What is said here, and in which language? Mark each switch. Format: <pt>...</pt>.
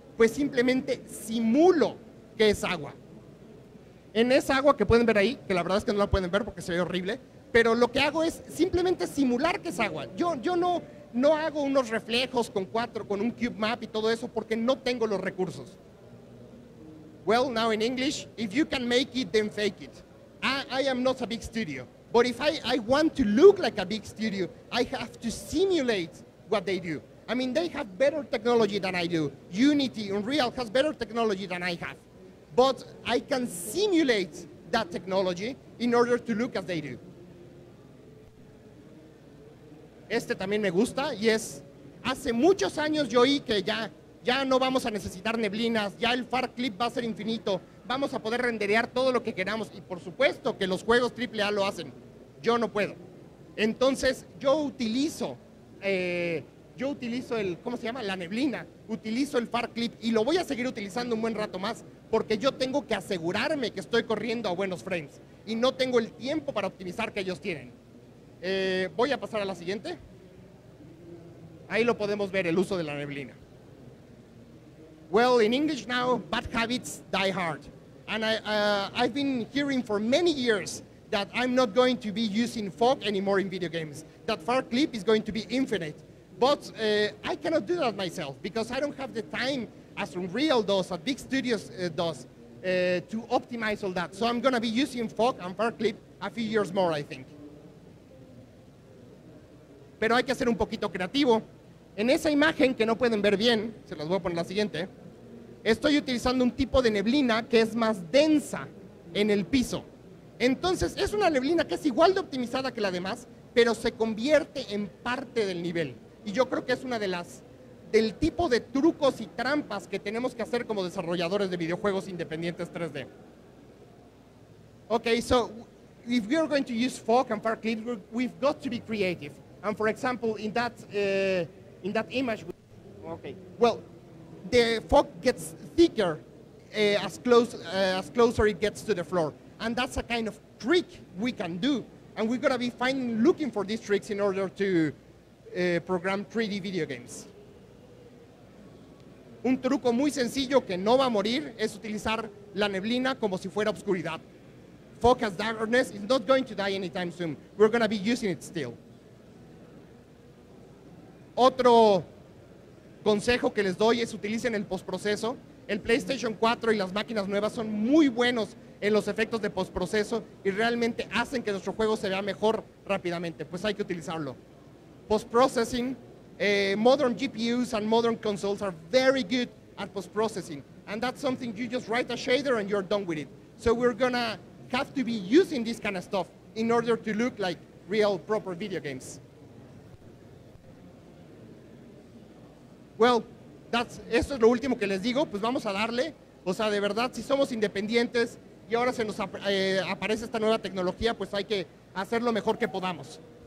<es>Pues simplemente simulo que es agua. En esa agua que pueden ver ahí, que la verdad es que no la pueden ver porque se ve horrible, pero lo que hago es simplemente simular que es agua. Yo no hago unos reflejos con cuatro, con un cube map y todo eso porque no tengo los recursos.</es> <en>Well, now in English, if you can make it, then fake it. I am not a big studio, but if I want to look like a big studio, I have to simulate what they do. I mean, they have better technology than I do. Unity, Unreal has better technology than I have. But I can simulate that technology in order to look as they do.</en> <es>Este también me gusta y es, hace muchos años yo oí que ya no vamos a necesitar neblinas, ya el far clip va a ser infinito, vamos a poder renderear todo lo que queramos y por supuesto que los juegos AAA lo hacen. Yo no puedo. Entonces yo utilizo el, ¿cómo se llama? La neblina. Utilizo el far clip y lo voy a seguir utilizando un buen rato más porque yo tengo que asegurarme que estoy corriendo a buenos frames y no tengo el tiempo para optimizar que ellos tienen. Voy a pasar a la siguiente. Ahí lo podemos ver, el uso de la neblina.</es> <en>Well, in English now, bad habits die hard. And I've been hearing for many years that I'm not going to be using fog anymore in video games. That far clip is going to be infinite. But I cannot do that myself because I don't have the time as Unreal does, as big studios does. to optimize all that. So I'm going to be using Fog and Farclip a few years more, I think.</en> <es>Pero hay que ser un poquito creativo. En esa imagen que no pueden ver bien, se las voy a poner la siguiente, estoy utilizando un tipo de neblina que es más densa en el piso. Entonces, es una neblina que es igual de optimizada que la demás, pero se convierte en parte del nivel. Y yo creo que es una de las, del tipo de trucos y trampas que tenemos que hacer como desarrolladores de videojuegos independientes 3D.</es> <en>Okay, so if we are going to use Fog and Farclip, we've got to be creative. And for example, in that image, well, the fog gets thicker as closer it gets to the floor. And that's a kind of trick we can do. And we're gonna be looking for these tricks in order to program 3D video games.</en> <es>Un truco muy sencillo que no va a morir es utilizar la neblina como si fuera oscuridad.</es> <en>Fog has darkness, it's not going to die anytime soon. We're gonna be using it still.</en> <es>Otro consejo que les doy es utilicen el postproceso. El PlayStation 4 y las máquinas nuevas son muy buenos en los efectos de postproceso y realmente hacen que nuestro juego se vea mejor rápidamente. Pues hay que utilizarlo.</es> <en>Postprocessing, modern GPUs and modern consoles are very good at postprocessing. And that's something you just write a shader and you're done with it. So we're gonna have to be using this kind of stuff in order to look like real proper video games.</en> <es>Well, esto es lo último que les digo, pues vamos a darle. O sea, de verdad, si somos independientes y ahora se nos aparece esta nueva tecnología, pues hay que hacer lo mejor que podamos.</es>